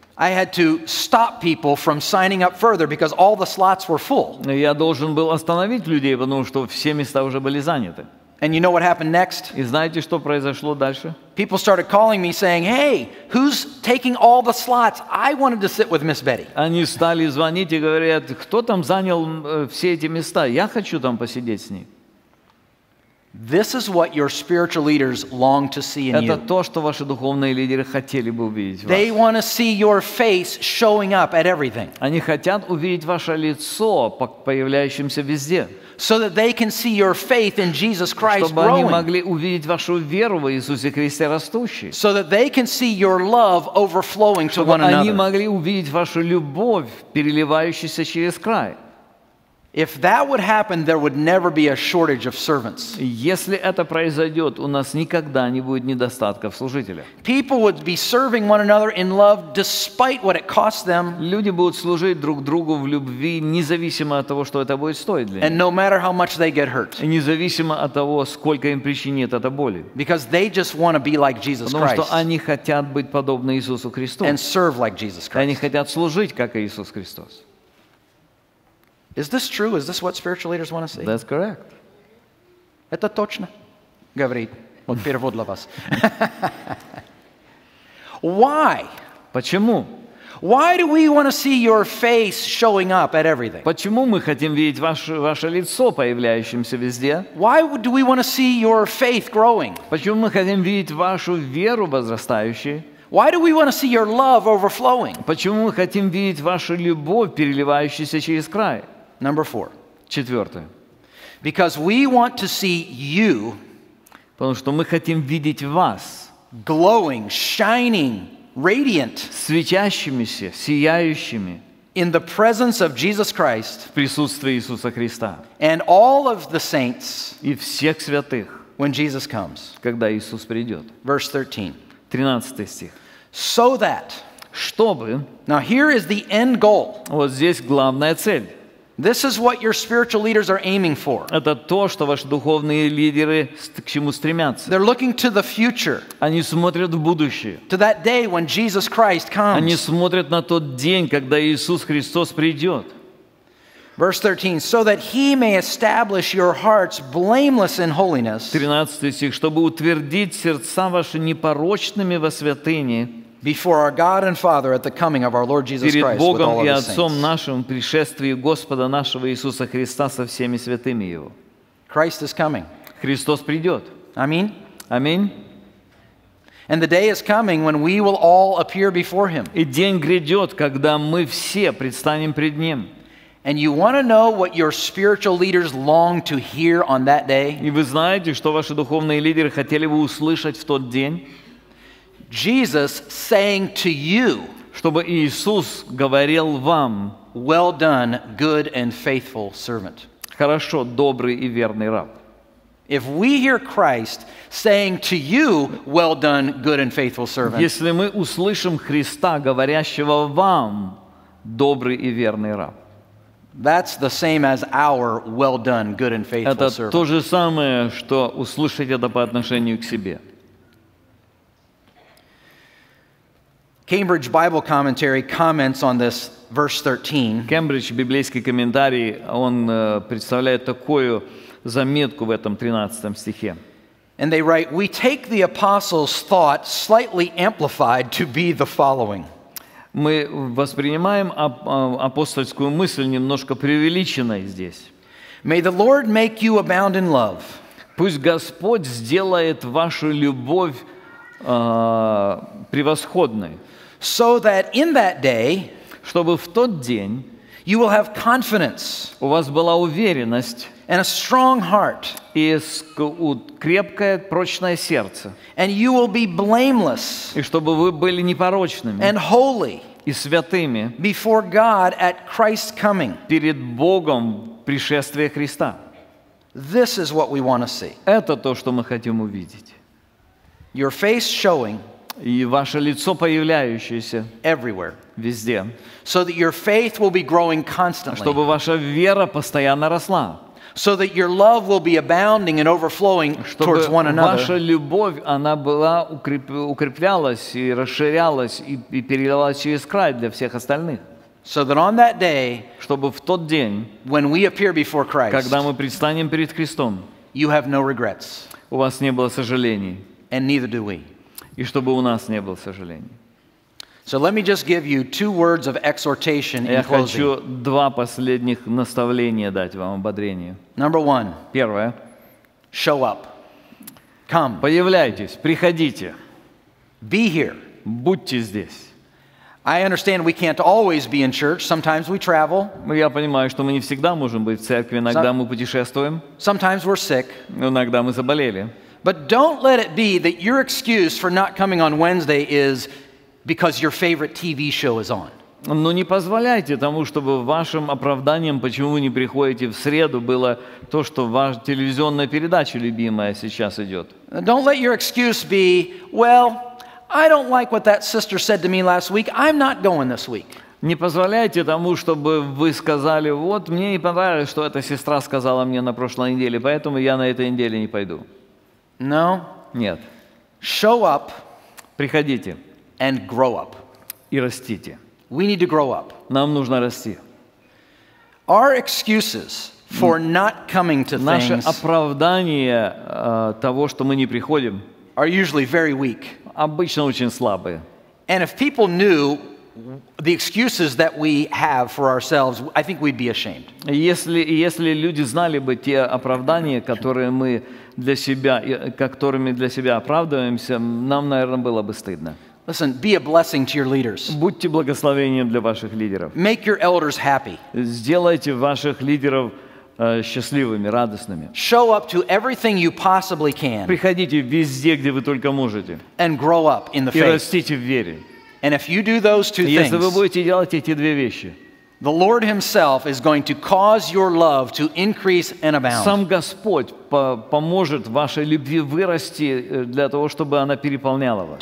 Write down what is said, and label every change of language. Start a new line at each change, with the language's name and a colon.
English: I had to stop people from signing up further because all the slots were full.
Russian: Я должен был остановить людей, потому что все места уже были заняты.
English: And you know what happened next?
Russian: И знаете, что произошло дальше?
English: People started calling me saying, "Hey, who's taking all the slots? I wanted to sit with Miss Betty."
Russian: Они стали звонить и говорят: "Кто там занял все эти места? Я хочу там посидеть с ней."
English: This is what your spiritual leaders long to see in you.
Russian: Это то, что ваши духовные лидеры хотели бы увидеть в вас.
English: They want to see your face showing up at everything.
Russian: Они хотят увидеть ваше лицо, появляющимся везде.
English: So that they can see your faith in Jesus Christ
Russian: Чтобы они могли увидеть вашу веру в Иисусе Христе растущей.
English: So that they can see your love overflowing to one another.
Russian: Чтобы они могли увидеть вашу любовь, переливающуюся через край.
English: If that would happen, there would never be a shortage of servants.
Russian: Если это произойдет, у нас никогда не будет недостатка в служителях.
English: People would be serving one another in love, despite what it costs them.
Russian: Люди будут служить друг другу в любви, независимо от того, что это будет стоить для них.
English: And no matter how much they get hurt.
Russian: И независимо от того, сколько им причинит это боли.
English: Because they just want to be like Jesus Christ.
Russian: Потому что они хотят быть подобны Иисусу Христу.
English: And serve like Jesus Christ.
Russian: Они хотят служить как Иисус Христос.
English: Is this true? Is this what spiritual leaders want to see? That's correct.
Russian: Это точно, говорит вот перевод для вас.
English: Why?
Russian: Почему?
English: Why do we want to see your face showing up at everything?
Russian: Почему мы хотим видеть ваше лицо появляющимся везде?
English: Why do we want to see your faith growing?
Russian: Почему мы хотим видеть вашу веру возрастающей?
English: Why do we want to see your love overflowing?
Russian: Почему мы хотим видеть вашу любовь переливающуюся через край?
English: Number 4.
Russian: Четвёртое.
English: Because we want to see you,
Russian: потому что мы хотим видеть вас,
English: glowing, shining, radiant,
Russian: светящимися, сияющими,
English: in the presence of Jesus Christ,
Russian: в присутствии Иисуса Христа,
English: and all of the saints,
Russian: и всех святых,
English: when Jesus comes,
Russian: когда Иисус придёт.
English: Verse 13.
Russian: 13 стих.
English: So that,
Russian: чтобы,
English: now here is the end goal.
Russian: Вот здесь главная цель.
English: This is what your spiritual leaders are aiming for.
Russian: Это то, что ваши духовные лидеры к чему стремятся.
English: They're looking to the future.
Russian: Они смотрят в будущее.
English: To that day when Jesus Christ comes.
Russian: Они смотрят на тот день, когда Иисус Христос придет.
English: Verse 13, so that he may establish your hearts blameless in holiness.
Russian: 13 стих, чтобы утвердить сердца ваши непорочными во святыне.
English: Before our God and Father at the coming of our Lord Jesus Christ with all of His saints.
Russian: Перед Богом и Отцом нашим пришествии Господа нашего Иисуса Христа со всеми святыми Его.
English: Christ is coming.
Russian: Христос придет. Аминь. Аминь.
English: And the day is coming when we will all appear before Him.
Russian: И день грядет, когда мы все предстанем пред Ним.
English: And you want to know what your spiritual leaders long to hear on that day?
Russian: И вы знаете, что ваши духовные лидеры хотели бы услышать в тот день?
English: Jesus saying to you,
Russian: чтобы Иисус говорил вам,
English: well done, good and faithful servant.
Russian: Хорошо, добрый и верный раб.
English: If we hear Christ saying to you, well done, good and faithful servant.
Russian: Если мы услышим Христа говорящего вам, добрый и верный раб.
English: That's the same as our well done, good and faithful servant.
Russian: Это то же самое, что услышать это по отношению к себе.
English: Cambridge Bible Commentary comments on this verse 13.
Russian: Кембридж библейский комментарий, он представляет такую заметку в этом 13 стихе.
English: And they write, "We take the apostles' thought slightly amplified to be the following."
Russian: Мы воспринимаем апостольскую мысль немножко преувеличенной здесь.
English: May the Lord make you abound in love.
Russian: Пусть Господь сделает вашу любовь превосходной.
English: So that in that day,
Russian: чтобы в тот день,
English: you will have confidence.
Russian: У вас была уверенность.
English: And a strong heart.
Russian: И крепкое, прочное сердце.
English: And you will be blameless.
Russian: И чтобы вы были непорочными.
English: And holy.
Russian: И святыми.
English: Before God at Christ's coming.
Russian: Перед Богом пришествия Христа.
English: This is what we want to see.
Russian: Это то, что мы хотим увидеть.
English: Your face showing.
Russian: И ваше лицо появляющееся.
English: Everywhere.
Russian: Везде.
English: So that your faith will be growing constantly.
Russian: Чтобы ваша вера постоянно росла.
English: So that your love will be abounding and overflowing towards one another.
Russian: Ваша любовь, она была укреплялась и расширялась и перелилась через край для всех остальных.
English: So that on that day,
Russian: чтобы в тот день,
English: when we appear before Christ,
Russian: когда мы предстанем перед Христом,
English: you have no regrets.
Russian: У вас не было сожалений.
English: And neither do we.
Russian: И чтобы у нас не было сожалений.
English: So let me just give you two words of exhortation in closing.
Russian: Я хочу два последних наставления дать вам, ободрение.
English: Number one.
Russian: Первое.
English: Show up. Come.
Russian: Появляйтесь, приходите.
English: Be here.
Russian: Будьте здесь.
English: I understand we can't always be in church. Sometimes we travel.
Russian: Я понимаю, что мы не всегда можем быть в церкви. Иногда мы путешествуем.
English: Sometimes we're sick.
Russian: Иногда мы заболели.
English: But don't let it be that your excuse for not coming on Wednesday is because your favorite TV show is on.
Russian: Но не позволяйте тому, чтобы вашим оправданием, почему вы не приходите в среду, было то, что ваша телевизионная передача любимая сейчас идет.
English: Don't let your excuse be, well, I don't like what that sister said to me last week. I'm not going this week.
Russian: Не позволяйте тому, чтобы вы сказали, вот мне не понравилось, что эта сестра сказала мне на прошлой неделе, поэтому я на этой неделе не пойду.
English: No.
Russian: Нет.
English: Show up.
Russian: Приходите.
English: And grow up.
Russian: И растите.
English: We need to grow up.
Russian: Нам нужно расти.
English: Our excuses for not coming to things.
Russian: Наше оправдание того, что мы не приходим.
English: Are usually very weak.
Russian: Обычно очень слабые.
English: And if people knew the excuses that we have for ourselves, I think we'd be ashamed.
Russian: Если люди знали бы те оправдания, которые мы для себя, которыми для себя оправдываемся, нам, наверное, было бы стыдно.
English: Listen, be a blessing to your leaders.
Russian: Будьте благословением для ваших лидеров.
English: Make your elders happy.
Russian: Сделайте ваших лидеров счастливыми, радостными.
English: Show up to everything you possibly can.
Russian: Приходите везде, где вы только можете.
English: And grow up in the faith.
Russian: И растите в вере.
English: And if you do those two things,
Russian: если вы будете делать эти две вещи,
English: the Lord himself is going to cause your love to increase and abound.
Russian: Сам Господь поможет вашей любви вырасти для того, чтобы она переполняла вас.